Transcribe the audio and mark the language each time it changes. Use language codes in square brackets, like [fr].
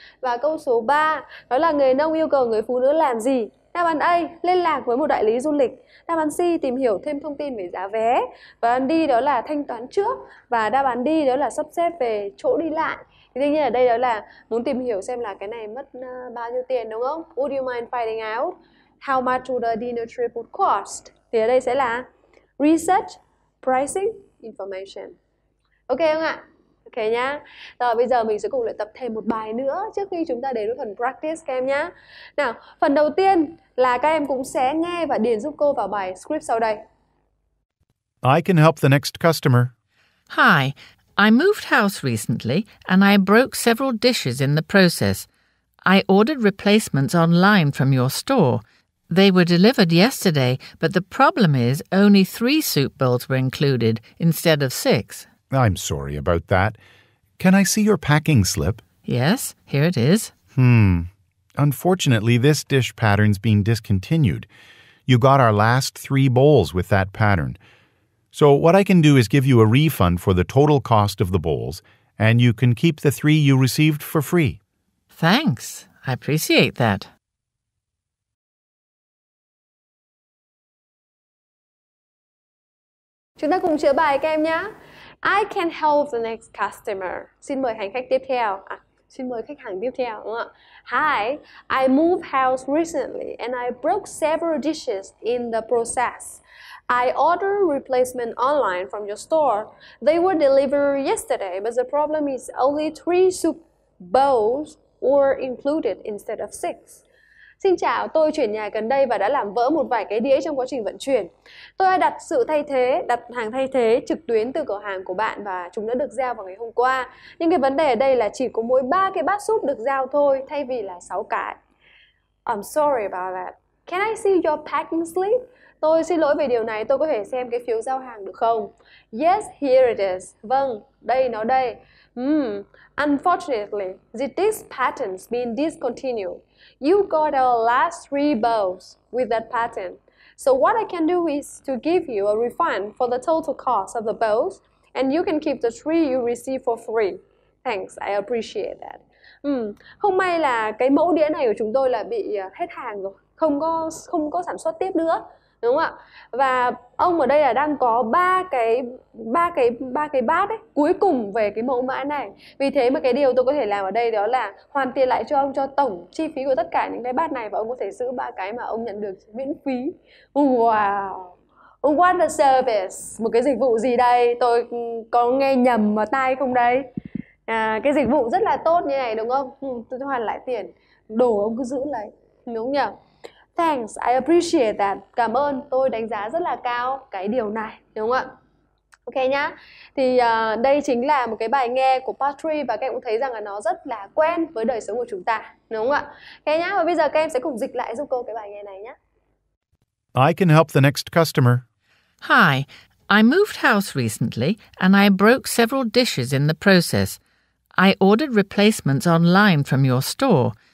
[vi] Và câu số 3, đó là người nông yêu cầu người phụ nữ làm gì? Đáp án A, liên lạc với một đại lý du lịch. Đáp án C, tìm hiểu thêm thông tin về giá vé. Đáp án D đó là thanh toán trước. Và đáp án D đó là sắp xếp về chỗ đi lại. Thì tuy nhiên ở đây đó là muốn tìm hiểu xem là cái này mất bao nhiêu tiền đúng không? [en] Would you mind finding out how much would a dinner trip would cost? [vi] Thì ở đây sẽ là [en] research, pricing, information. [vi] Ok không ạ? Ok nhá. Rồi bây giờ mình sẽ cùng luyện tập thêm một bài nữa trước khi chúng ta đến với phần practice các em nhá. Nào, phần đầu tiên là các em cũng sẽ nghe và điền giúp cô vào bài script sau đây. [en] I can help the next customer. Hi, I moved house recently and I broke several dishes in the process. I ordered replacements online from your store. They were delivered yesterday, but the problem is only 3 soup bowls were included instead of 6. I'm sorry about that. Can I see your packing slip? Yes, here it is. Unfortunately, this dish pattern's being discontinued. You got our last three bowls with that pattern. So what I can do is give you a refund for the total cost of the bowls, and you can keep the three you received for free. Thanks. I appreciate that. [vi] Chúng ta cùng chữa bài các em nhé. [en] I can help the next customer. [vi] Xin mời hành khách tiếp theo. Xin mời khách hàng tiếp theo. Đúng không? [en] Hi, I moved house recently and I broke several dishes in the process. I ordered replacement online from your store. They were delivered yesterday, but the problem is only three soup bowls were included instead of six. [vi] Xin chào, tôi chuyển nhà gần đây và đã làm vỡ một vài cái đĩa trong quá trình vận chuyển. Tôi đã đặt hàng thay thế trực tuyến từ cửa hàng của bạn và chúng đã được giao vào ngày hôm qua. Nhưng cái vấn đề ở đây là chỉ có mỗi 3 cái bát súp được giao thôi, thay vì là 6 cái. [en] I'm sorry about that. Can I see your packing slip? [vi] Tôi xin lỗi về điều này, tôi có thể xem cái phiếu giao hàng được không? [en] Yes, here it is. [vi] Vâng, đây nó đây. [en] Unfortunately, the dish pattern's been discontinued. You got our last three bowls with that pattern. So what I can do is to give you a refund for the total cost of the bowls, and you can keep the three you receive for free. Thanks, I appreciate that. [vi] Không may là cái mẫu đĩa này của chúng tôi là bị hết hàng rồi, không có sản xuất tiếp nữa, đúng không ạ? Và ông ở đây là đang có ba cái bát ấy, cuối cùng về cái mẫu mã này. Vì thế mà cái điều tôi có thể làm ở đây đó là hoàn tiền lại cho ông cho tổng chi phí của tất cả những cái bát này và ông có thể giữ ba cái mà ông nhận được miễn phí. Wow. [en] What a service. [vi] Một cái dịch vụ gì đây? Tôi có nghe nhầm vào tai không đây? À, cái dịch vụ rất là tốt như này đúng không? Tôi hoàn lại tiền. Đồ ông cứ giữ lấy. Đúng không nhỉ? [en] Thanks, I appreciate that. [vi] Cảm ơn, tôi đánh giá rất là cao cái điều này, đúng không ạ? Ok nhá. Thì đây chính là một cái bài nghe của Patry và các em cũng thấy rằng là nó rất là quen với đời sống của chúng ta, đúng không ạ? Ok nhá. Và bây giờ các em sẽ cùng dịch lại giúp cô cái bài nghe này nhá. [en] I can help the next customer. Hi, I moved house recently and I broke several dishes in the process. I ordered replacements online from your store.